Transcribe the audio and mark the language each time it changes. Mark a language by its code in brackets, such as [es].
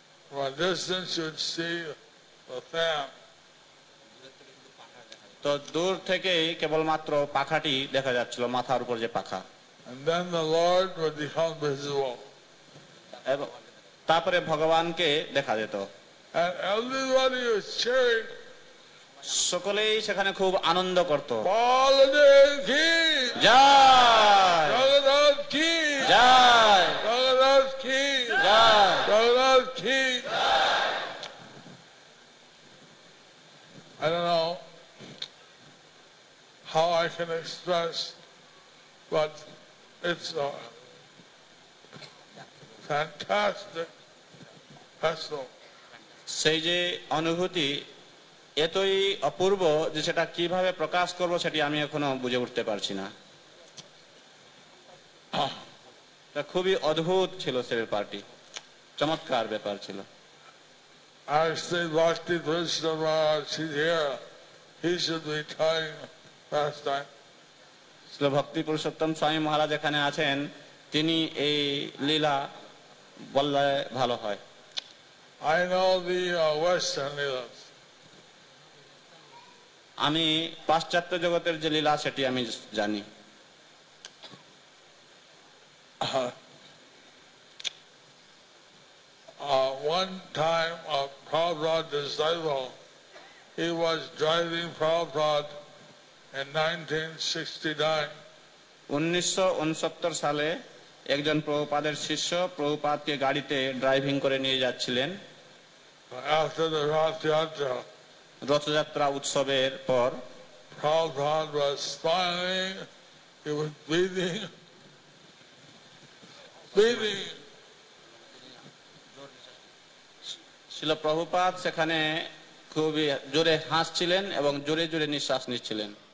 [en] From a distance you'd see a fan. [bn] তো দূর থেকেই কেবলমাত্র পাখাটি দেখা যাচ্ছিল, মাথার উপর যে পাখা। [en] And then the Lord would become visible. [bn] তারপরে ভগবানকে দেখা যেত। [en] And everybody was cheering. [bn] সকলেই সেখানে খুব আনন্দ করত। বলদেব কি জয়, জগদ্দেব কি জয়, জগদ্দেব কি জয়, জগদ্দেব কি জয়। [en] I don't know how I can express, but it's a fantastic festival. [bn] সেই যে অনুভূতি এতই অপূর্ব যে সেটা কিভাবে প্রকাশ করব সেটি আমি এখনো বুঝে উঠতে পারছি না। তা খুবই অদ্ভুত ছিল সেই পার্টি, চমৎকার ব্যাপার ছিল। [en] I say Vashti Vrishnava, she's here. He should be trying first time. [bn] Shri ভক্তি পুরুষোত্তম স্বামী মহারাজ এখানে আছেন, তিনি এই লীলা বললে ভালো হয়। [en] I know the Western leaders. [bn] আমি পাশ্চাত্য জগতের যে লীলা সেটি আমি জানি। [en] One time a Prabhupada disciple, he was driving Prabhupada in 1969. [bn] 1969 সালে একজন প্রভুপাদের শিষ্য প্রভুপাদকে গাড়িতে ড্রাইভিং করে নিয়ে যাচ্ছিলেন। [en] After the Rath Yatra, [bn] Rathyatra উৎসবের পর [en] Prabhupada was smiling, he was breathing, breathing. [bn] Srila Prabhupada সেখানে খুবই জোরে হাসছিলেন এবং জোরে জোরে নিঃশ্বাস নিচ্ছিলেন।